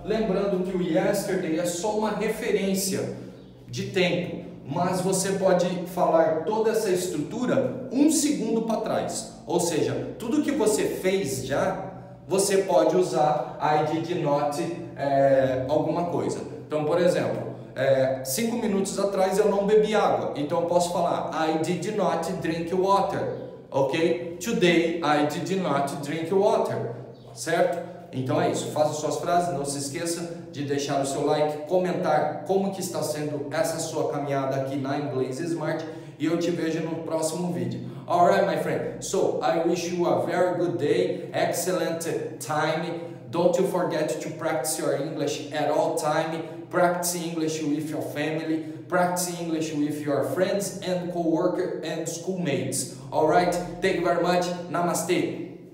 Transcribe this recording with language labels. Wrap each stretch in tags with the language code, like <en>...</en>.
<pt>Lembrando que o yesterday é só uma referência de tempo, mas você pode falar toda essa estrutura um segundo para trás. Ou seja, tudo que você fez já, você pode usar</pt> <en>I did not</en> <pt>alguma coisa. Então, por exemplo, 5 minutos atrás eu não bebi água, então eu posso falar</pt> <en>I did not drink water,</en> <pt>ok?</pt> <en>Today I did not drink water, certo?</en> <pt>Então é isso, faça suas frases, não se esqueça de deixar o seu like, comentar como que está sendo essa sua caminhada aqui na Inglês Smart e eu te vejo no próximo vídeo.</pt> <en>Alright, my friend, so I wish you a very good day, excellent time. Don't you forget to practice your English at all time. Practice English with your family. Practice English with your friends and co-worker and schoolmates. Alright, thank you very much. Namaste.</en>